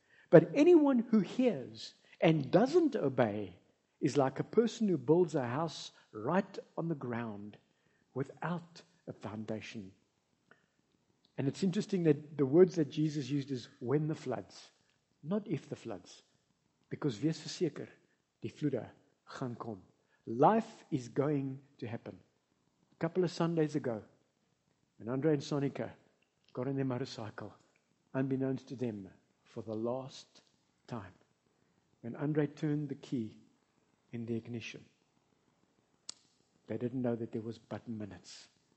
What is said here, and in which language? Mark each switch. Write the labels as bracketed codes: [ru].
[en] But anyone who hears and doesn't obey is like a person who builds a house right on the ground without a foundation. And it's interesting that the words that Jesus used is when the floods, not if the floods. Because [af] wees verseker, die vloede gaan kom. [en] Life is going to happen. A couple of Sundays ago, when Andre and Sonica got in their motorcycle, unbeknownst to them, for the last time, when Andre turned the key in the ignition, they didn't know that there was but minutes.